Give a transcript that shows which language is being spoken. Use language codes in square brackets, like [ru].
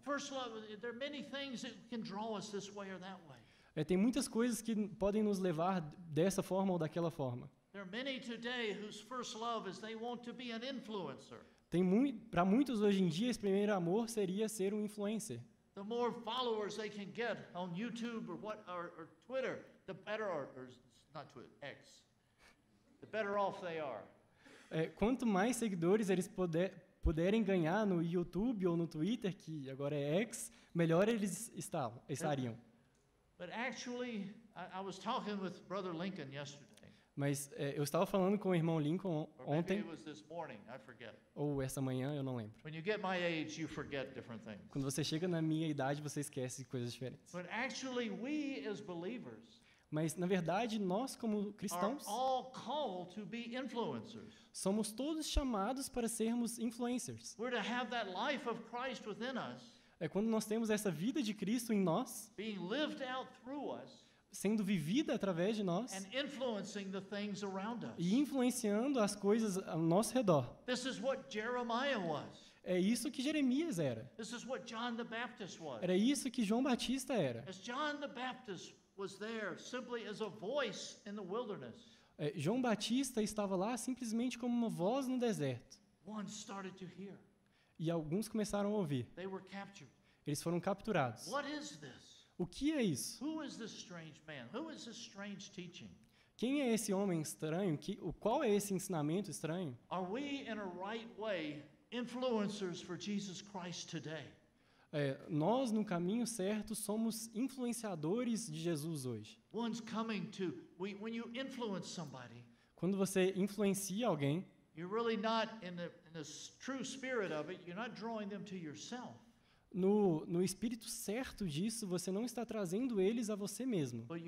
[en] First love, there are many things that can draw us this way or that way. [pt] Tem muitas coisas que podem nos levar dessa forma ou daquela forma. [en] There are many today whose first love is they want to be an influencer. [pt] Tem para muitos hoje em dia, esse primeiro amor seria ser um influencer. [en] The more followers they can get on YouTube or what or Twitter, the better or not Twitter, X. The better off they are. [pt] Quanto mais seguidores eles puderem ganhar no YouTube ou no Twitter, que agora é X, melhor eles estariam. [en] But actually, I was talking with Brother Lincoln yesterday. [pt] Mas eu estava falando com o irmão Lincoln ontem, [en] morning, [pt] ou essa manhã, eu não lembro. [en] When you get my age, you forget different things. [pt] Quando você chega na minha idade, você esquece coisas diferentes. [en] But actually, we as believers, [pt] mas, na verdade, nós como cristãos [en] are all called to be influencers. [pt] Somos todos chamados para sermos influencers. [en] We're to have that life of Christ within us, [pt] é quando nós temos essa vida de Cristo em nós, [en] being lived out through us, [pt] sendo vivida através de nós [en] and influencing the things around us. [pt] E influenciando as coisas ao nosso redor. [en] This is what Jeremiah was. [pt] É isso que Jeremias era. [en] This is what John the Baptist was. [pt] Era isso que João Batista era. [en] As John the Baptist was there simply as a voice in the wilderness. [pt] João Batista estava lá simplesmente como uma voz no deserto. [en] One started to hear. [pt] E alguns começaram a ouvir. [en] They were captured. [pt] Eles foram capturados. [en] What is this? [pt] O que é isso? [en] Who is this strange man? Who is this strange teaching? [pt] Quem é esse homem estranho? Qual é esse ensinamento estranho? [en] Are we in a right way influencers for Jesus Christ today? [pt] Nós no caminho certo somos influenciadores de Jesus hoje. [en] One's coming to when you influence somebody. [pt] Quando você influencia alguém, [en] you're really not in the true spirit of it. You're not drawing them to yourself. [pt] No espírito certo disso, você não está trazendo eles a você mesmo.